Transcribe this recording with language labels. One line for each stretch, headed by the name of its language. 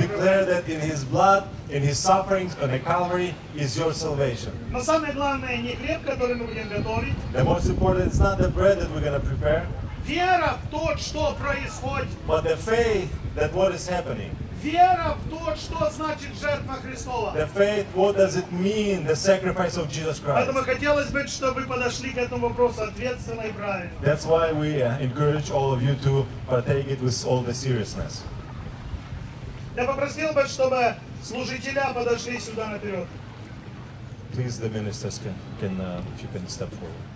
English: You declare that in His blood, in His sufferings on the Calvary is your salvation.
Russian: Но самое главное не хлеб, который мы будем готовить.
English: The most important is not the bread that we're going to prepare.
Russian: Вера в то, что происходит.
English: But the faith that what is happening.
Russian: Вера в то, что значит жертва Христова.
English: The faith, what does it mean, the sacrifice of Jesus Christ.
Russian: Поэтому хотелось бы, чтобы вы подошли к этому вопросу ответственно и правильно.
English: That's why we encourage all of you to partake it with all the seriousness.
Russian: Я попросил бы, чтобы служителя подошли сюда наперед.
English: Please, the ministers if you can step forward.